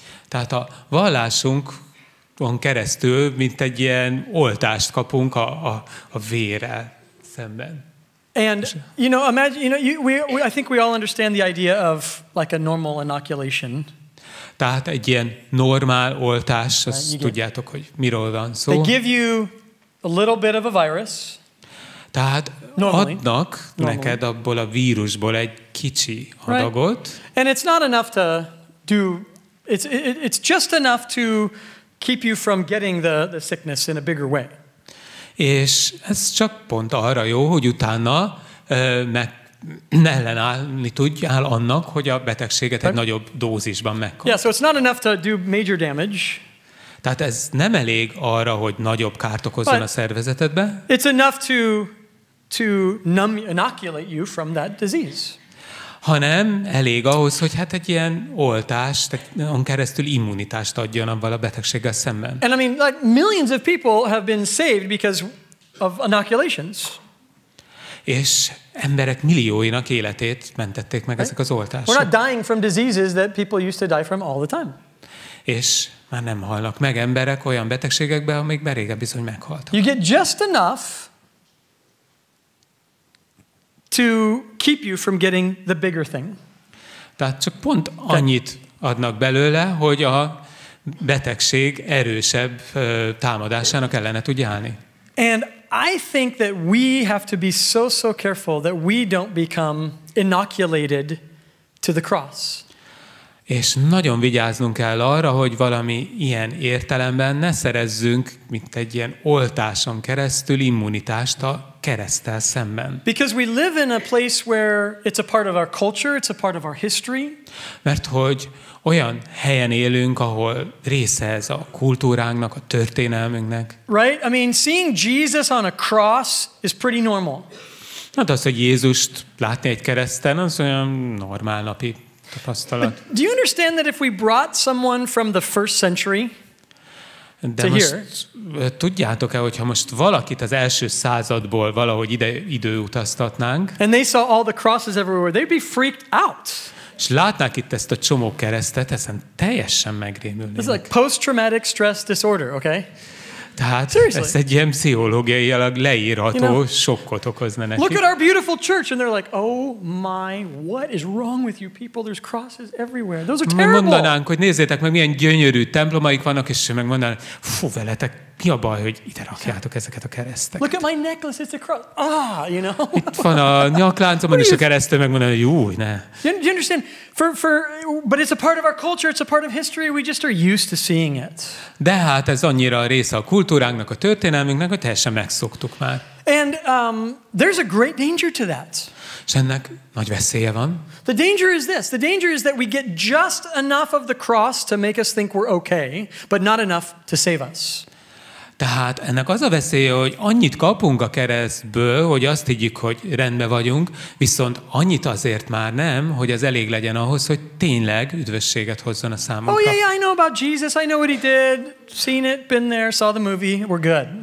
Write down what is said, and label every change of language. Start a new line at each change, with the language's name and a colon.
Hungarian: Tehát a vallásunkon keresztül, mint egy ilyen oltást kapunk a vérrel szemben.
English: And you know, imagine, you know, I think we all understand the idea of like a normal inoculation.
Hungarian: Tehát egy ilyen normál oltás, azt tudjátok, hogy miről van szó.
English: They give you a little bit of a virus.
Hungarian: Tehát adnak neked abból a vírusból egy kicsi adagot.
English: Right. And it's not enough to do. It's just enough to keep you from getting the sickness in a bigger way.
Hungarian: És ez csak pont arra jó, hogy utána ellenállni tudjál annak, hogy a betegséget egy nagyobb dózisban megkapd.
English: Yeah, so it's not enough to do major damage.
Hungarian: Tehát ez nem elég arra, hogy nagyobb kárt okozzon a szervezetedbe.
English: It's enough to inoculate you from that disease.
Hungarian: Hanem elég ahhoz, hogy hát egy ilyen oltás, on keresztül immunitást adjon abban a betegséggel szemben.
English: And I mean, like millions of people have been saved because of inoculations.
Hungarian: És emberek millióinak életét mentették meg ezek az oltások.
English: We're not dying from diseases that people used to die from all the time.
Hungarian: És már nem halnak meg emberek olyan betegségekbe, amikben régen bizony meghaltak.
English: You get just enough to keep you from getting the bigger thing.
Hungarian: Tehát csak pont annyit adnak belőle, hogy a betegség erősebb támadásának ellene tudja állni.
English: And I think that we have to be so careful that we don't become inoculated to the cross.
Hungarian: És nagyon vigyáznunk kell arra, hogy valami ilyen értelemben ne szerezzünk, mint egy ilyen oltáson keresztül immunitást a kereszttel szemben.
English: Because we live in a place where it's a part of our culture, it's a part of our history.
Hungarian: Mert hogy olyan helyen élünk, ahol része ez a kultúránknak, a történelmünknek.
English: Right? I mean, seeing Jesus on a cross is pretty normal.
Hungarian: Hát az, hogy Jézust látni egy kereszten, az olyan normál napi.
English: But do you understand that if we brought someone from the first century to here,
Hungarian: tudjátok-e, hogyha most valakit az első századból valahogy ide időutaztatnánk,
English: and they saw all the crosses everywhere, they'd be freaked out.
Hungarian: És látnák itt ezt a csomó keresztet, ezen teljesen megrémülnének.
English: It's like post-traumatic stress disorder, okay?
Hungarian: Tehát ez egy ilyen pszichológiailag leírható sokkot okozna nekik.
English: Look at our beautiful church and they're like, oh my, what is wrong with you people? There's crosses everywhere. Those are terrible.
Hungarian: Mondanánk, hogy nézzétek meg, milyen gyönyörű templomaik vannak, és meg mondanánk, fú, veletek mi a baj, hogy ide rakjátok ezeket a kereszteket?
English: Look at my necklace, it's a cross. Ah, you know.
Hungarian: Itt van a nyakláncom, és a keresztő megmondja, hogy júj, ne.
English: You understand? But it's a part of our culture, it's a part of history, we just are used to seeing it.
Hungarian: De hát ez annyira a része a kultúránknak, a történelmünknek, hogy teljesen megszoktuk már.
English: And there's a great danger to that.
Hungarian: És ennek nagy veszélye van.
English: The danger is this. The danger is that we get just enough of the cross to make us think we're okay, but not enough to save us.
Hungarian: Tehát ennek az a veszélye, hogy annyit kapunk a keresztből, hogy azt higgyük, hogy rendben vagyunk, viszont annyit azért már nem, hogy az elég legyen ahhoz, hogy tényleg üdvösséget hozzon a számunkra.
English: Oh yeah, I know about Jesus, I know what he did, seen it, been there, saw the movie, we're good.